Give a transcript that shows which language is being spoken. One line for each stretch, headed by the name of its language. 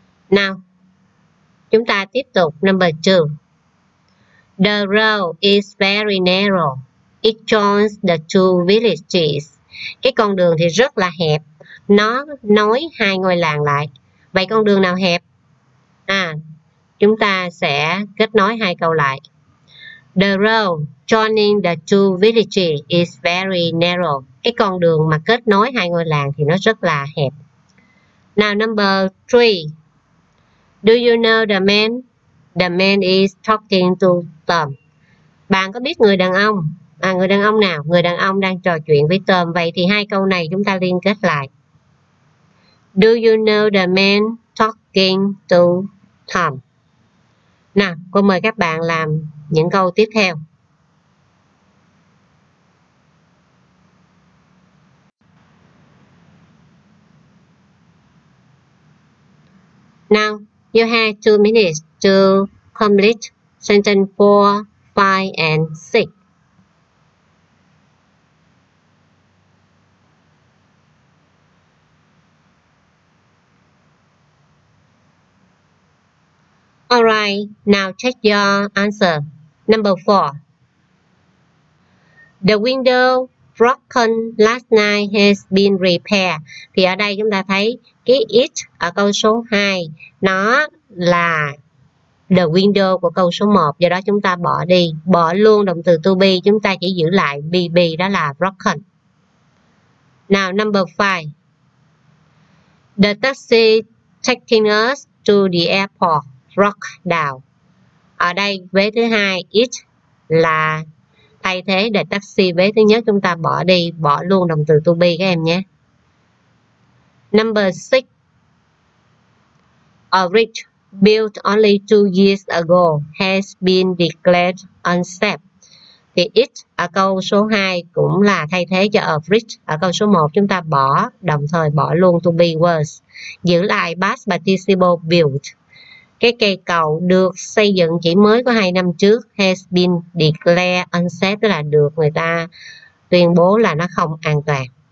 English: Now,
Vietnamese: chúng ta tiếp tục.
English: Number 2. The road is very narrow. It joins the two villages.
Vietnamese: Cái con đường thì rất là hẹp. Nó nối hai ngôi làng lại. Vậy con đường nào hẹp? À, chúng ta sẽ kết nối hai câu lại.
English: The road joining the two villages is very narrow.
Vietnamese: Cái con đường mà kết nối hai ngôi làng thì nó rất là hẹp.
English: Now number 3. Do you know the man? The man is talking to Tom.
Vietnamese: Bạn có biết người đàn ông? À, người đàn ông nào? Người đàn ông đang trò chuyện với Tom. Vậy thì hai câu này chúng ta liên kết lại.
English: Do you know the man talking to Tom?
Vietnamese: Nào, cô mời các bạn làm những câu tiếp theo.
English: Now, you have 2 minutes to complete sentence 4, 5, and 6. Alright, now check your answer. Number 4. The window broken last night has been repaired.
Vietnamese: Thì ở đây chúng ta thấy cái it ở câu số 2 nó là the window của câu số 1, do đó chúng ta bỏ đi, bỏ luôn động từ to be, chúng ta chỉ giữ lại be, đó là broken.
English: Now number 5. The taxi taking us to the airport broke down.
Vietnamese: Ở đây vế thứ 2 it là thay thế để taxi, vế thứ nhất chúng ta bỏ đi, bỏ luôn động từ to be các em nhé.
English: Number 6. A bridge built only 2 years ago has been declared unsafe.
Vietnamese: Thì it ở câu số 2 cũng là thay thế cho a bridge ở câu số 1, chúng ta bỏ, đồng thời bỏ luôn to be was. Giữ lại past participle built. Cái cây cầu được xây dựng chỉ mới có 2 năm trước,
English: has been declared unsafe,
Vietnamese: tức là được người ta tuyên bố là nó không an toàn.